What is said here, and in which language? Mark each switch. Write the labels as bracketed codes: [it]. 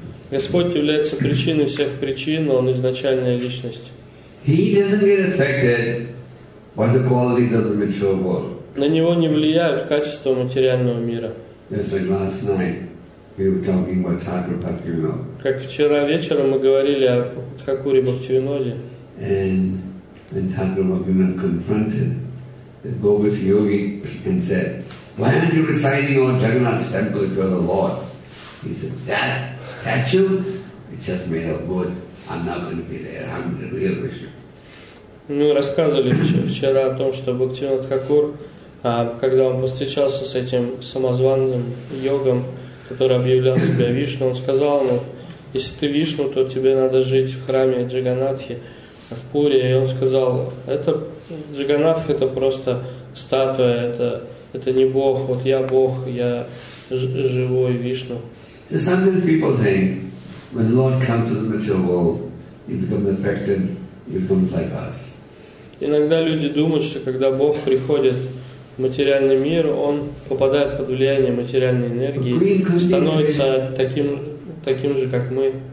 [ru] Господь является причиной всех причин, Он — изначальная Личность. На Него не влияют качества материального мира. Как вчера вечером мы говорили о Тхакуре Бхактивиноде. [en] And when Thakur Bhaktivinoda confronted the bogus yogi and said, why aren't you reciting on Jagannath's temple if you're the Lord? He said, that statue, it's just made of wood. I'm not going to be there. I'm the real Vishnu. [ru] Мы рассказывали вчера о том, что Бхактивинод Хакур, когда он повстречался с этим самозванным йогом, который объявлял себя Вишну, он сказал ему, если ты Вишну, то тебе надо жить в храме Джаганатхи в Пуре. И он сказал, это Джаганатха — это просто статуя, это не Бог, вот я Бог, я живой Вишну. [en] Sometimes people think, when the Lord comes to the material world, you become affected, you become like us. [ru] Иногда люди думают, что когда Бог приходит в материальный мир, Он попадает под влияние материальной энергии и становится таким же, как мы.